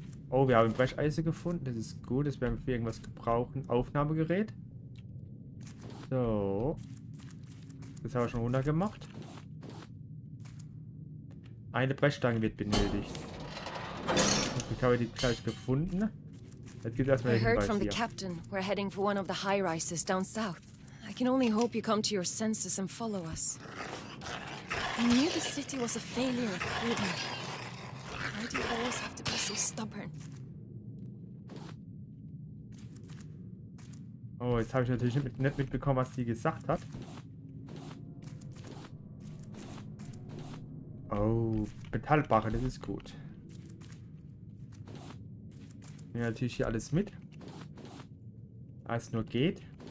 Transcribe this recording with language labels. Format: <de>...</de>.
<de>Oh, wir haben Brecheisen gefunden. Das ist gut. Das werden wir für irgendwas gebrauchen. Aufnahmegerät. So. Das haben wir schon runtergemacht. Eine Brechstange wird benötigt. Ich habe die gleich gefunden. Jetzt gibt es erstmal den Hinweis hier.</de> <en>Captain, we're heading for one of the high rises down south. I can only hope you come to your senses and follow us. I knew the city was a failure of freedom. Why do you always have to be so stubborn?</en> <de>Oh, jetzt habe ich natürlich nicht mitbekommen, was sie gesagt hat. Oh, Metallbarre, das ist gut. Ich nehme natürlich hier alles mit. Als nur geht.</de>